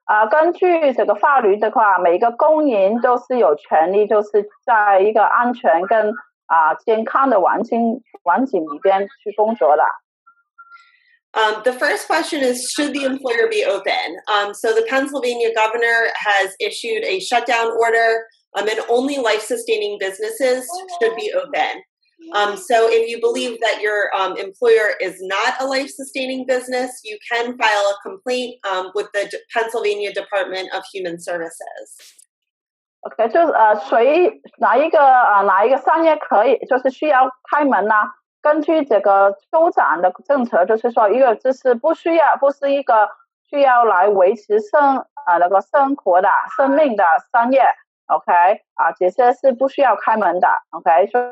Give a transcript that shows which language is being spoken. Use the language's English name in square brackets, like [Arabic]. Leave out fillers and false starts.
[Chinese] 根据这个法律的话，每一个工人都是有权利，就是在一个安全跟健康的环境里边去工作的。 [English] The first question is, should the employer be open? So the Pennsylvania governor has issued a shutdown order, and only life-sustaining businesses should be open. So if you believe that your employer is not a life-sustaining business, you can file a complaint with the Pennsylvania Department of Human Services. [Chinese] Okay, 就是谁哪一个商业可以就是需要开门呢？根据这个州长的政策，就是说一个就是不需要不是一个需要来维持生那个生活的生命的商业 ，OK 啊，这些是不需要开门的 ，OK